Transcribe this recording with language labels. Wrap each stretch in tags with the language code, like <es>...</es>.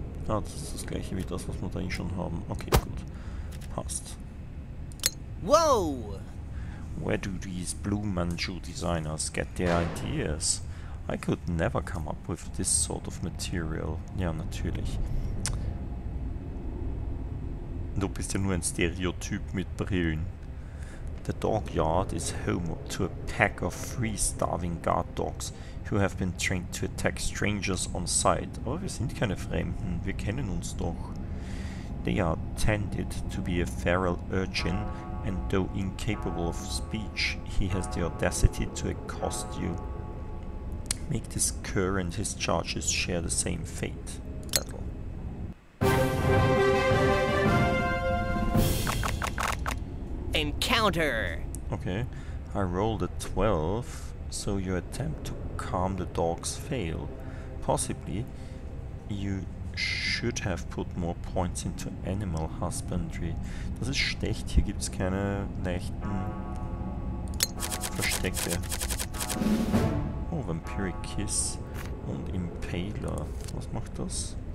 <de>Ah, das ist das gleiche wie das, was wir da eh schon haben. Okay, gut. Passt. Whoa!</de> <en>Where do these blue manchu designers get their ideas? I could never come up with this sort of material.</en> <de>Ja, natürlich. Du bist ja nur ein Stereotyp mit Brillen.</de> <en>The dogyard is home to a pack of 3 starving guard dogs who have been trained to attack strangers on sight.</en> <de>Aber wir sind keine Fremden, wir kennen uns doch.</de> <en>They are tended to be a feral urchin, and though incapable of speech, he has the audacity to accost you. Make this cur and his charges share the same fate. Encounter. Okay, I rolled a 12, so your attempt to calm the dogs fail. Possibly, you should have put more points into animal husbandry.</en> <de>Das ist schlecht, hier gibt's keine leichten Verstecke. Oh, Vampiric Kiss und Impaler. Was macht das?</de>